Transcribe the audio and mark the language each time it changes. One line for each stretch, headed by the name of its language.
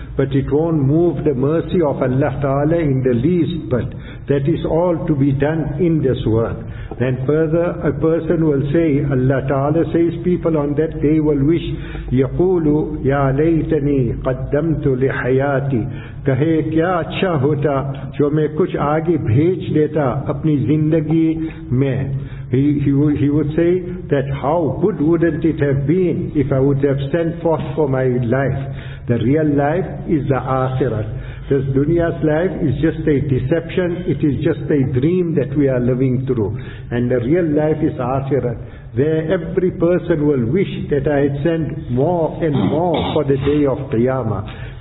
English: But it won't move the mercy of Allah Ta'ala in the least. But that is all to be done in this world. Then further, a person will say, Allah Ta'ala says, people on that day will wish,
Arabic: يَقُولُ يَا لَيْتَنِي قَدَّمْتُ لِحَيَاتِ.
Urdu: کہے کیا اچھا ہوتا جو میں کچھ آگے بھیج دیتا اپنی زندگی میں.
English: He would say that how good wouldn't it have been if I would have sent forth for my life. The real life is the Akhirat. This dunya's life is just a deception, it is just a dream that we are living through. And the real life is Akhirat. There every person will wish that I had sent more and more for the day of Qiyamah.